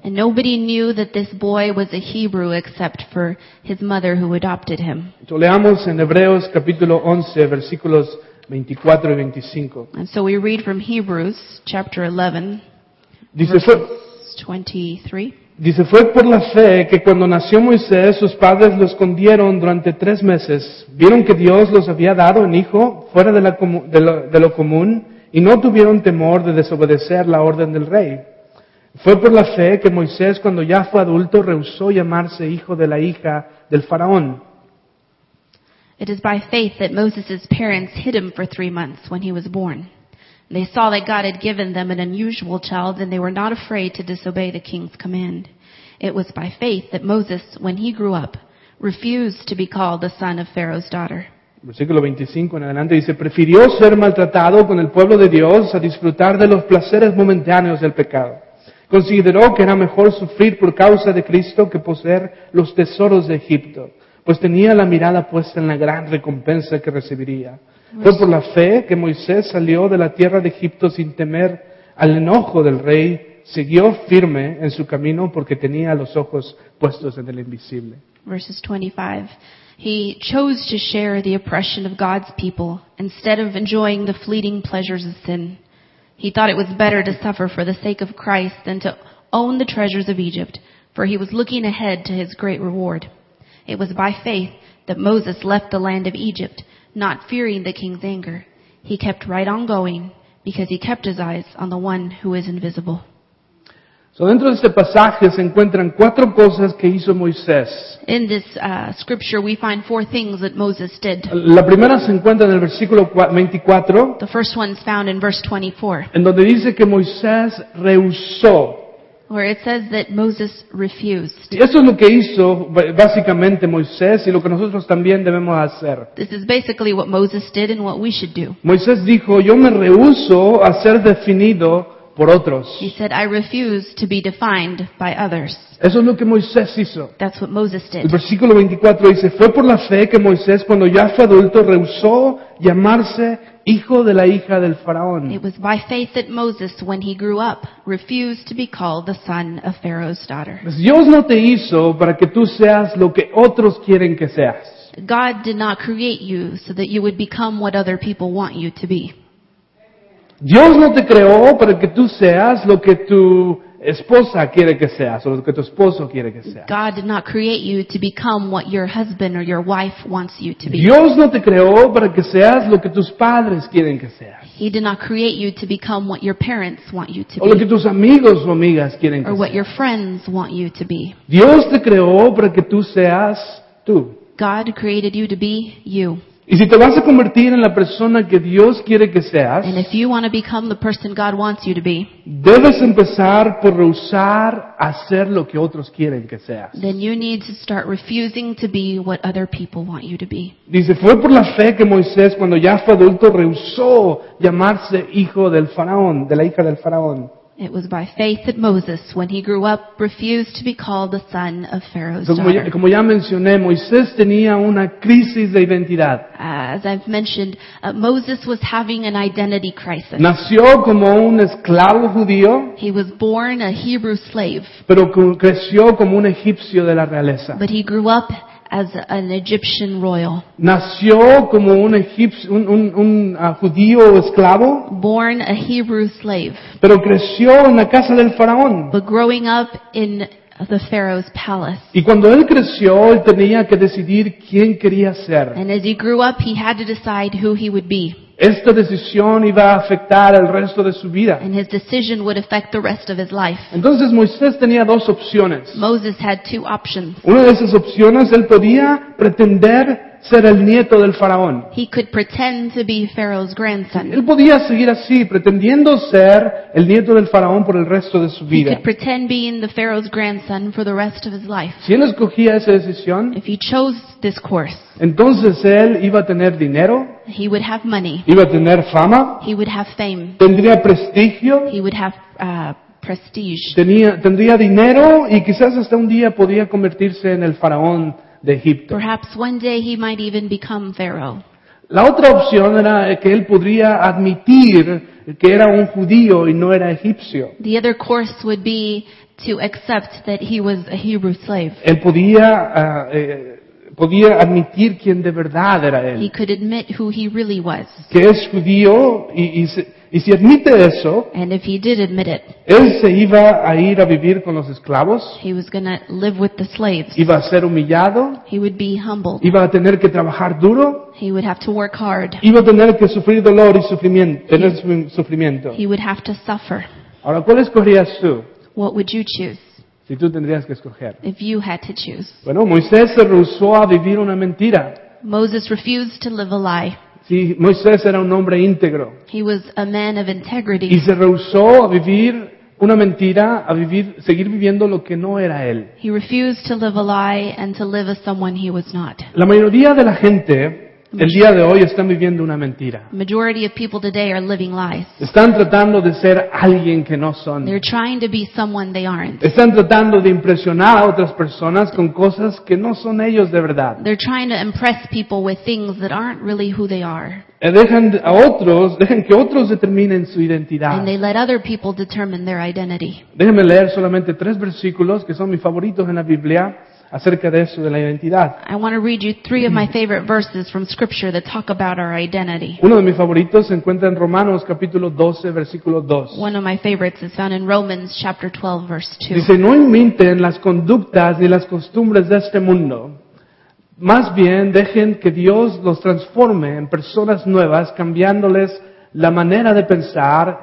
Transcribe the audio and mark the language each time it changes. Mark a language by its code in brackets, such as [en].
[en] And nobody knew that this boy was a Hebrew except for his mother who adopted him. [es] Entonces, leamos en Hebreos capítulo 11, versículos 24 y 25. [en] And so we read from Hebrews chapter 11, [es] dice, [en] verse 23. [es] Dice, fue por la fe que cuando nació Moisés, sus padres lo escondieron durante 3 meses. Vieron que Dios los había dado un hijo fuera de lo común, y no tuvieron temor de desobedecer la orden del rey. Fue por la fe que Moisés, cuando ya fue adulto, rehusó llamarse hijo de la hija del faraón. [en] It is by faith that Moses' parents hid him for 3 months when he was born. They saw that God had given them an unusual child, and they were not afraid to disobey the king's command. It was by faith that Moses, when he grew up, refused to be called the son of Pharaoh's daughter. [es] Versículo 25 en adelante dice, prefirió ser maltratado con el pueblo de Dios a disfrutar de los placeres momentáneos del pecado. Consideró que era mejor sufrir por causa de Cristo que poseer los tesoros de Egipto, pues tenía la mirada puesta en la gran recompensa que recibiría. Fue por la fe que Moisés salió de la tierra de Egipto sin temer al enojo del rey, siguió firme en su camino porque tenía los ojos puestos en el invisible. [en] Verses 25. He chose to share the oppression of God's people instead of enjoying the fleeting pleasures of sin. He thought it was better to suffer for the sake of Christ than to own the treasures of Egypt, for he was looking ahead to his great reward. It was by faith that Moses left the land of Egypt, not fearing the king's anger. He kept right on going because he kept his eyes on the one who is invisible. [es] So dentro de este pasaje se encuentran 4 cosas que hizo Moisés. [en] In this scripture we find 4 things that Moses did. [es] La primera se encuentra en el versículo 24. [en] The first one's found in verse 24. [es] En donde dice que Moisés rehusó. [en] Where it says that Moses refused. [es] Y eso es lo que hizo básicamente Moisés y lo que nosotros también debemos hacer. [en] This is basically what Moses did and what we should do. [es] Moisés dijo, yo me rehuso a ser definido por otros. [en] He said, I refuse to be defined by others. [es] Eso es lo que Moisés hizo. [en] That's what Moses did. [es] El versículo 24 dice, fue por la fe que Moisés, cuando ya fue adulto, rehusó llamarse hijo de la hija del faraón. [en] It was by faith that Moses, when he grew up, refused to be called the son of Pharaoh's daughter. [es] Dios no te hizo para que tú seas lo que otros quieren que seas. [en] God did not create you so that you would become what other people want you to be. [es] Dios no te creó para que tú seas lo que tu esposa quiere que seas o lo que tu esposo quiere que seas. [en] God did not create you to become what your husband or your wife wants you to be. [es] Dios no te creó para que seas lo que tus padres quieren que seas. [en] He did not create you to become what your parents want you to be. [es] O lo que tus amigos o amigas quieren que seas. [en] Or what your friends want you to be. [es] Dios te creó para que tú seas tú. [en] God created you to be you. [es] Y si te vas a convertir en la persona que Dios quiere que seas, [en] and if you want to become the person God wants you to be, [es] debes empezar por rehusar hacer lo que otros quieren que seas. [en] Then you need to start refusing to be what other people want you to be. [es] Dice, fue por la fe que Moisés, cuando ya fue adulto, rehusó llamarse hijo del faraón, de la hija del faraón. [en] It was by faith that Moses, when he grew up, refused to be called the son of Pharaoh's daughter. [es] Como ya mencioné, Moisés tenía una crisis de identidad. [en] As I've mentioned, Moses was having an identity crisis. [es] Nació como un esclavo judío. [en] He was born a Hebrew slave. [es] Pero creció como un egipcio de la realeza. [en] But he grew up as an Egyptian royal. [es] Nació como un egipcio, judío esclavo. [en] Born a Hebrew slave. [es] Pero creció en la casa del faraón. [en] But growing up in the Pharaoh's palace. [es] Y cuando él creció, él tenía que decidir quién quería ser. [en] And as he grew up, he had to decide who he would be. [es] Esta decisión iba a afectar el resto de su vida. [en] And his decision would affect the rest of his life. [es] Entonces Moisés tenía dos opciones. [en] Moses had two options. [es] Una de esas opciones, él podía pretender ser el nieto del faraón. [en] He could pretend to be Pharaoh's grandson. [es] Él podía seguir así, pretendiendo ser el nieto del faraón por el resto de su vida. [en] He could pretend being the Pharaoh's grandson for the rest of his life. [es] Si él escogía esa decisión, [en] if he chose this course, [es] entonces él iba a tener dinero. [en] He would have money. [es] Iba a tener fama. [en] He would have fame. [es] Tendría prestigio. [en] He would have prestige. [es] Tendría dinero y quizás hasta un día podía convertirse en el faraón de Egipto. [en] Perhaps one day he might even become Pharaoh. [es] La otra opción era que él podría admitir que era un judío y no era egipcio. [en] The other course would be to accept that he was a Hebrew slave. [es] Él podía admitir quién de verdad era él. [en] He could admit who he really was. [es] Que es judío y si admite eso, [en] and if he did admit it, [es] él se iba a ir a vivir con los esclavos. [en] He was going to live with the slaves. [es] Iba a ser humillado. [en] He would be humbled. [es] Iba a tener que trabajar duro. [en] He would have to work hard. [es] Iba a tener que sufrir dolor y sufrimiento. [en] He would have to suffer. [es] Ahora, ¿cuál escogerías tú? [en] What would you choose? [es] Si tú tendrías que escoger. [en] If you had to choose. [es] Bueno, Moisés se rehusó a vivir una mentira. [en] Moses refused to live a lie. [es] Sí, Moisés era un hombre íntegro. [en] He was a man of integrity. [es] Y se rehusó a vivir una mentira, a vivir, seguir viviendo lo que no era él. [en] He refused to live a lie and to live as someone he was not. [es] La mayoría de la gente el día de hoy están viviendo una mentira. [en] Majority of people today are living lies. [es] Están tratando de ser alguien que no son. [en] They're trying to be someone they aren't. [es] Están tratando de impresionar a otras personas con cosas que no son ellos de verdad. [en] They're trying to impress people with things that aren't really who they are. [es] Dejan que otros determinen su identidad. [en] And they let other people determine their identity. [es] Déjenme leer solamente tres versículos que son mis favoritos en la Biblia acerca de eso, de la identidad. [en] I want to read you three of my favorite verses from Scripture that talk about our identity. [es] Uno de mis favoritos se encuentra en Romanos capítulo 12, versículo 2. [en] One of my favorites is found in Romans chapter 12, verse 2. [es] Dice, no imiten las conductas ni las costumbres de este mundo. Más bien, dejen que Dios los transforme en personas nuevas, cambiándoles la manera de pensar.